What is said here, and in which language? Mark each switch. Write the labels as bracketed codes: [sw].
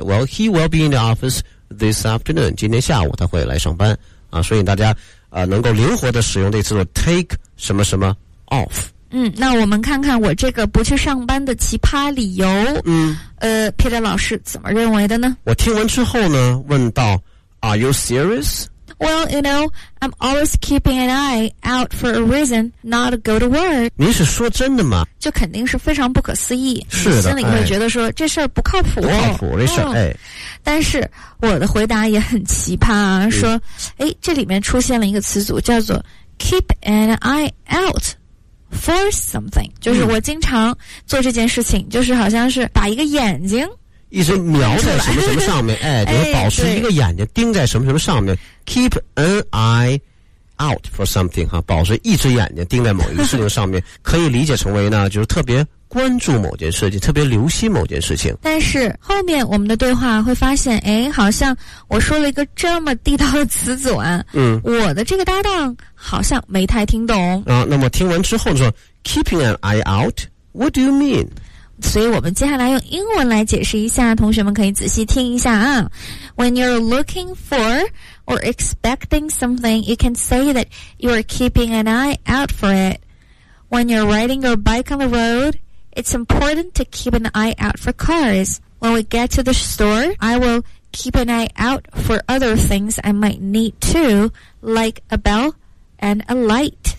[en] Well he will be in the office this afternoon， [zh] 今天下午他会来上班啊。所以大家能够灵活的使用这次的 take 什么什么 off。那我们看看我这个不去上班的奇葩理由，Peter 老师怎么认为的呢？我听完之后呢问到 [en] Are you serious? Well, you know, I'm always keeping an eye out for a reason not to go to work. [zh] 您是说真的吗？这肯定是非常不可思议。是的，心里会觉得说、这事儿不靠谱。不靠谱这事儿、但是我的回答也很奇葩啊，说诶这里面出现了一个词组叫做 [en] keep an eye out for something， [zh] 就是我经常做这件事情，就是好像是把一个眼睛一直瞄在什么什么上面，就是保持一个眼睛盯在什么什么上面。 [en] keep an eye out for something [zh] 哈，保持一只眼睛盯在某一个事情上面可以理解成为呢就是特别关注某件事情，特别留心某件事情。但是后面我们的对话会发现，哎，好像我说了一个这么地道的词组啊，我的这个搭档好像没太听懂啊。那么听完之后说 [en] keeping an eye out， what do you mean？ [zh] 所以我们接下来用英文来解释一下，同学们可以仔细听一下啊。 [en] When you're looking for or expecting something， you can say that you are keeping an eye out for it. When you're riding your bike on the road，It's important to keep an eye out for cars. When we get to the store, I will keep an eye out for other things I might need too, like a bell and a light.